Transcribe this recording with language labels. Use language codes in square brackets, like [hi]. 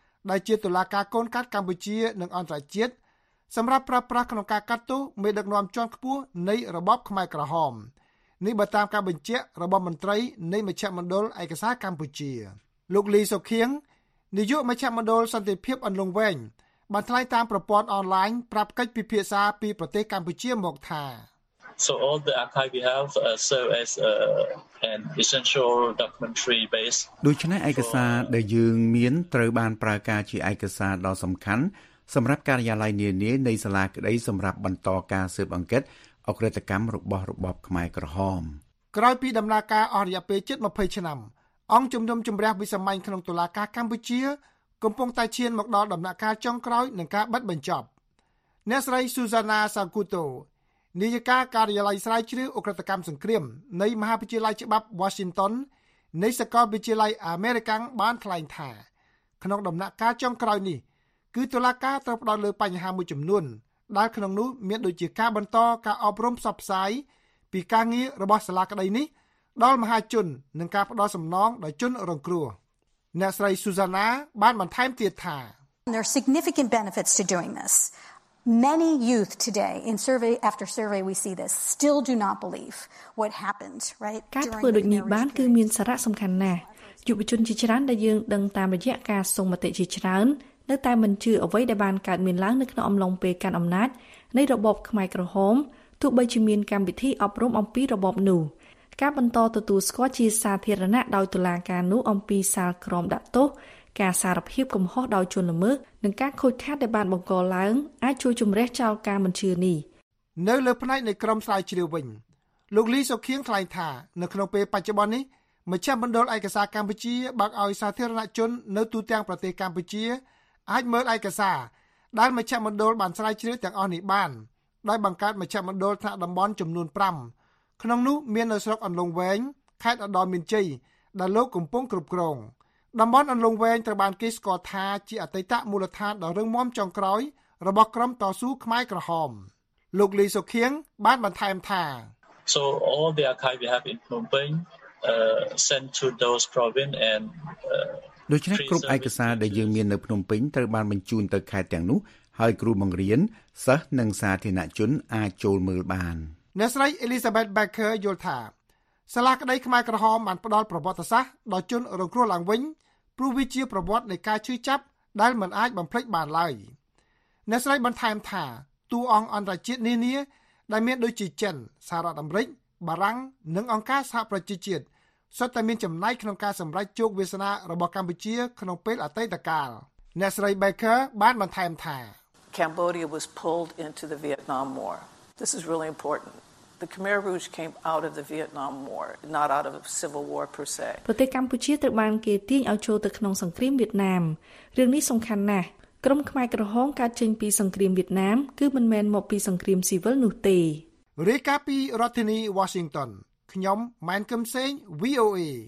[km] ដែលជាតុលាការកូនកាត់កម្ពុជានិងអន្តរជាតិសម្រាប់ប្រើប្រាស់ក្នុងការកាត់ទោសមេដឹកនាំជាន់ខ្ពស់នៃរបបខ្មែរក្រហមនេះបើតាមការបញ្ជាក់របស់មន្ត្រីនៃមជ្ឈមណ្ឌលឯកសារកម្ពុជាលោកលីសុខៀងនាយកមជ្ឈមណ្ឌលសន្តិភាពអន្លង់វែងបានថ្លែងតាមប្រព័ន្ធអនឡាញប្រាប់កិច្ចពិភាក្សាពីប្រទេសកម្ពុជាមកថា [en] So all the archive we have serve as an essential documentary base. [km] ដូច្នេះឯកសារដែលយើងមានត្រូវបានប្រើការជាឯកសារដ៏សំខាន់សម្រាប់ការិយាល័យនានានៃសាលាក្តីសម្រាប់បន្តការស៊ើបអង្កេតអក្រិតកម្មរបស់របបខ្មែរក្រហម ក្រោយពីដំណើរការអស់រយៈពេលជិត20ឆ្នាំអង្គជំនុំជម្រះវិសាមញ្ញក្នុងតុលាការកម្ពុជាកំពុងតែឈានមកដល់ដំណាក់កាលចុងក្រោយនៃការបិទបញ្ចប់ អ្នកស្រី Susanna Sakuto នាយិកាការិយាល័យស្រាវជ្រាវអូក្រិតកម្មសង្គ្រាមនៃមហាវិទ្យាល័យច្បាប់ Washington នៃសាកលវិទ្យាល័យ American បានថ្លែងថាក្នុងដំណាក់កាលចុងក្រោយនេះគឺតុលាការត្រូវផ្តោតលើបញ្ហាមួយចំនួនដែលក្នុងនោះមានដូចជាការបន្តការអប់រំផ្សព្វផ្សាយពីការងាររបស់សាលាក្តីនេះដល់មហាជននិងការផ្តល់សំណងដល់ជនរងគ្រោះអ្នកស្រី Susanna បានបន្ថែមទៀតថា [en] There are significant benefits to doing this. Many youth today in survey after survey we see this still do not believe what happened, right? [km] ការធ្វើដូចនេះបានគឺមានសារៈសំខាន់ណាស់យុវជនជាច្រើនដែលយើងដឹងតាមរយៈការសុំមតិជាច្រើននៅតែមិនជឿអ្វីដែលបានកើតមានឡើងនៅក្នុងអំឡុងពេលកាន់អំណាចនៃរបបខ្មែរក្រហមទោះបីជាមានកម្មវិធីអប់រំអំពីរបបនោះការបន្តទទួលស្គាល់ជាសាធារណៈដោយតុលាការនោះអំពីសាលក្រមដាក់ទោសការសារភាពកំហុសដោយជនល្មើសនិងការខូចខាតដែលបានបង្កឡើងអាចជួយជំរះចោលការមិនជឿនេះ នៅលើផ្នែកនៃក្រមស្រាវជ្រាវវិញលោកលីសុខៀងថ្លែងថានៅក្នុងពេលបច្ចុប្បន្ននេះមជ្ឈមណ្ឌលឯកសារកម្ពុជាបើកឲ្យសាធារណជននៅទូទាំងប្រទេសកម្ពុជា អាចមើលឯកសារដែលមជ្ឈមណ្ឌលបានស្រាវជ្រាវទាំងអស់នេះបានដោយបង្កើតមជ្ឈមណ្ឌលថ្នាក់តំបន់ចំនួន5ក្នុងនោះមាននៅស្រុកអន្លង់វែងខេត្តឧត្តរមានជ័យដែលលោកកំពុងគ្រប់គ្រងតំបន់អន្លង់វែងត្រូវបានគេស្គាល់ថាជាអតីតមូលដ្ឋានដ៏រឹងមាំចុងក្រោយរបស់ក្រុមតស៊ូខ្មែរក្រហមលោកលីសុខៀងបានបន្ថែមថា [en] So all the archive we have in Phnom Penh sent to those province and [km] ដូច្នេះគ្រប់ឯកសារដែលយើងមាននៅភ្នំពេញត្រូវបានបញ្ជូនទៅខេត្តទាំងនោះហើយគ្រូបង្រៀនសិស្សនិងសាធារណជនអាចចូលមើលបាន អ្នកស្រី Elizabeth Becker យល់ថាសាលាក្តីខ្មែរក្រហមបានផ្ដល់ប្រវត្តិសាស្ត្រដល់ជនរងគ្រោះឡើងវិញព្រោះវាជាប្រវត្តិនៃការឈឺចាប់ដែលមិនអាចបំភ្លេចបានឡើយអ្នកស្រីបន្ថែមថាតួអង្គអន្តរជាតិនានា ដែលមានដូចជាចិនសហរដ្ឋអាមេរិកបារាំងនិងអង្គការសហប្រជាជាតិសុទ្ធតែមានចំណែកក្នុងការសម្រេចជោគវាសនារបស់កម្ពុជាក្នុងពេលអតីតកាលអ្នកស្រី Baker បានបន្ថែមថា [en] Cambodia was pulled into the Vietnam War. This is really important. The Khmer Rouge came out of the Vietnam War, not out of civil war per se. [km] ប្រទេសកម្ពុជាត្រូវបានគេទាញឲ្យចូលទៅក្នុងសង្គ្រាមវៀតណាមរឿងនេះសំខាន់ណាស់ក្រុមខ្មែរក្រហមកើតចេញពីសង្គ្រាមវៀតណាមគឺមិនមែនមកពីសង្គ្រាមស៊ីវិលនោះទេ រាជការពីរដ្ឋធានី Washington ខ្ញុំម៉ែនកឹមសេង VOA